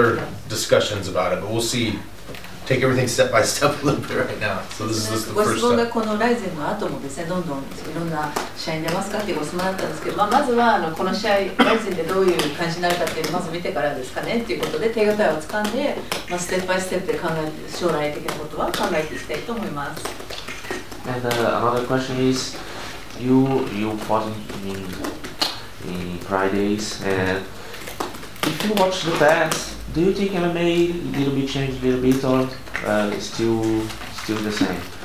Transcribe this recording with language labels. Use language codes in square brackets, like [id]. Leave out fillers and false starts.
[ja] ちょっと新しいヘアスタイルで出ます。他に質問あると。 [en] Any other question from the floor? Did you want to stay fighting, not just the tournament, but after that, you still fighting for how many times? Yeah, there have been some other discussions about it, but we'll see. Take everything step by step a little bit right now. So this is just the first step. [ja] ご質問がこのライゼンの後もですね、どんどん、いろんな試合に出ますかっていうご質問だったんですけど、まずはこの試合、ライゼンでどういう感じになるかっていうのをまず見てからですかねっていうことで、手応えをつかんで、ステップバイステップで将来的なことは考えていきたいと思います。And [en] another question is, you fought in Fridays, and if you watch the past, do you think MMA little bit changed a little bit or still the same?